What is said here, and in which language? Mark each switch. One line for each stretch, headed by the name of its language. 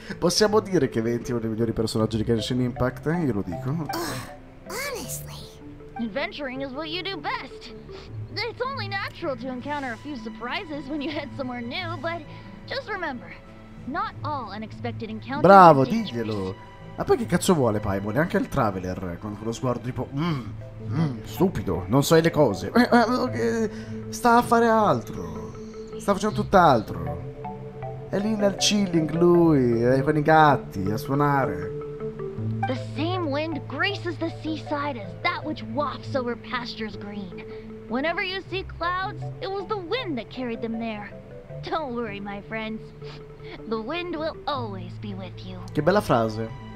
Italian: Possiamo dire che Venti è uno dei migliori personaggi di Genshin Impact? Io lo dico.
English: Honestly. Adventuring is what you do best. It's only natural to encounter a few surprises when you head somewhere new, but just remember, not all unexpected encounters.
Italian: Bravo, diglielo. Ma poi che cazzo vuole Paimon? Neanche il Traveler con quello sguardo tipo stupido, non sai le cose. Sta a fare altro. Sta facendo tutt'altro. È lì nel chilling lui, con i gatti, a suonare.
English: The same wind graces the seaside as that which wafts over pastures green. Whenever you see clouds, it was the wind that carried them there. Don't worry, my friends. The wind will always be with you.
Italian: Che bella frase.